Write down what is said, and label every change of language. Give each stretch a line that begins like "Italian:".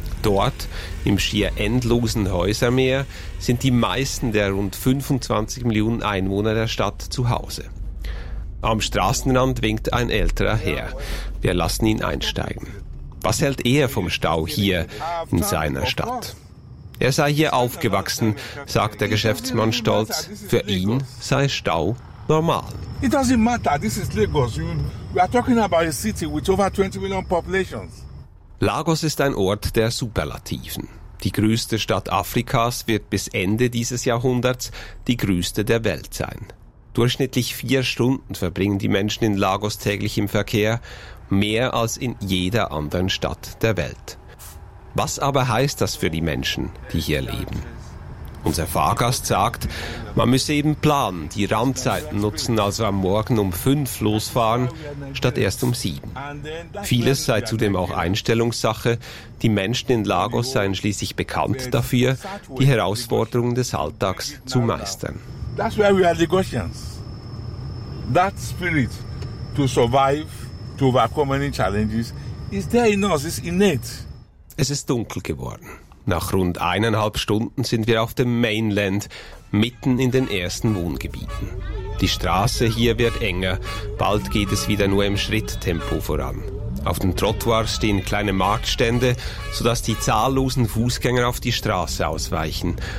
German: Dort, im schier endlosen Häusermeer, sind die meisten der rund 25 Millionen Einwohner der Stadt zu Hause. Am Straßenrand winkt ein älterer Herr. Wir lassen ihn einsteigen. Was hält er vom Stau hier in seiner Stadt? Er sei hier aufgewachsen, sagt der Geschäftsmann stolz. Für ihn sei Stau normal.
English: It doesn't matter, this is Lagos. We are talking about a city with over 20 million populations.
German: Lagos ist ein Ort der Superlativen. Die größte Stadt Afrikas wird bis Ende dieses Jahrhunderts die größte der Welt sein. Durchschnittlich 4 Stunden verbringen die Menschen in Lagos täglich im Verkehr, mehr als in jeder anderen Stadt der Welt. Was aber heißt das für die Menschen, die hier leben? Unser Fahrgast sagt, man müsse eben planen, die Randzeiten nutzen, also am Morgen um 5 losfahren, statt erst um 7. Vieles sei zudem auch Einstellungssache. Die Menschen in Lagos seien schließlich bekannt dafür, die Herausforderungen des Alltags zu meistern.
English: That's where we are Lagosians. That spirit to survive, to overcome any challenges, is there in us, it's innate.
German: Es ist dunkel geworden. Nach rund 1,5 Stunden sind wir auf dem Mainland, mitten in den ersten Wohngebieten. Die Straße hier wird enger, bald geht es wieder nur im Schritttempo voran. Auf den Trottoirs stehen kleine Marktstände, sodass die zahllosen Fußgänger auf die Straße ausweichen.